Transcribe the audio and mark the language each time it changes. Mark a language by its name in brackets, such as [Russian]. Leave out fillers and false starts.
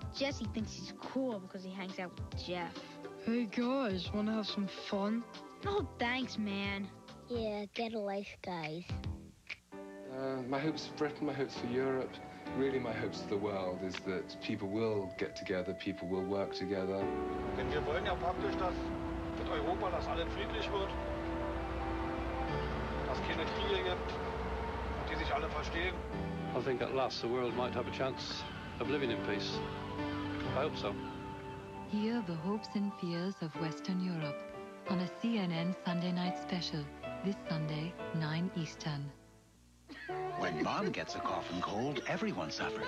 [English] Jesse thinks he's cool because he hangs out with Jeff. Hey, guys, wanna have some fun? No, thanks, man. Yeah, get a life, guys. My hopes for Britain, my hopes for Europe, really my hopes for the world is that people will get together, people will work together. [German] Denn wir wollen ja praktisch, dass mit Europa das alles friedlich wird, dass keine Kriege gibt, die sich alle verstehen. [English] I think at last the world might have a chance of living in peace. I hope so. Hear the hopes and fears of Western Europe on a CNN Sunday night special, this Sunday, 9 Eastern. When Mom gets a cough and cold, everyone suffers.